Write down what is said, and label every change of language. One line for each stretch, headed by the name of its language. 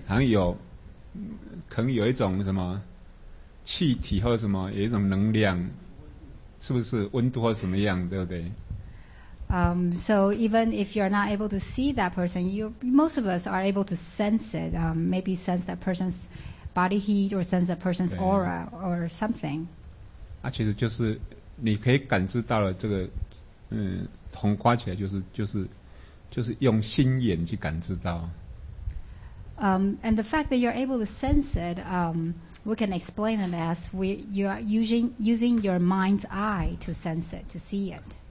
Chinese: 好像有，可能有一种什么气体或者什么，有一种能量，是不是温度或什么样，对不对？
English: So even if you're not able to see that person, most of us are able to sense it. Maybe sense that person's. Body heat or sense a person's aura or something.
Chinese: 啊，其实就是你可以感知到了这个，统括起来就是用心眼去感知到。
English: And the fact that you're able to sense it, we can explain it as you're using your mind's eye to sense it, to see it.